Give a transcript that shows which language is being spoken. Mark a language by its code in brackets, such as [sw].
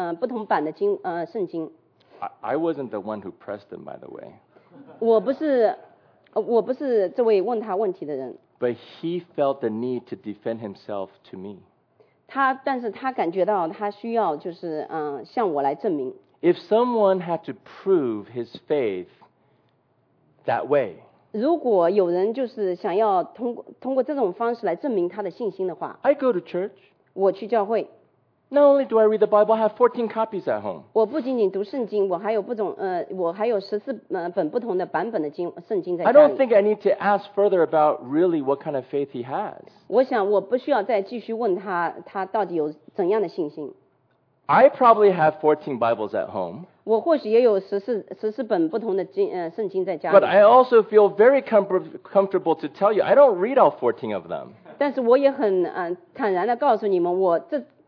[zh] 我相信我在家里至少有14本不同版的圣经。 [en] I wasn't the one who pressed them, by the way. [zh] 我不是这位问他问题的人。 [en] But he felt the need to defend himself to me. [zh] 但是他感觉到他需要向我来证明。 [en] If someone had to prove his faith that way, [zh] 如果有人就是想要通过这种方式来证明他的信心的话, [en] I go to church. [zh] 我去教会。 [en] Not only do I read the Bible, I have 14 copies at home. [zh] 我不仅仅读圣经，我还有14本不同的版本的圣经在家里。 [en] I don't think I need to ask further about really what kind of faith he has. [zh] 我想我不需要再继续问他到底有怎样的信心。 [en] I probably have 14 Bibles at home. [zh] 我或许也有14本不同的圣经在家里。 [en] But I also feel very comfortable to tell you, I don't read all 14 of them. [zh] 但是我也很坦然地告诉你们，我这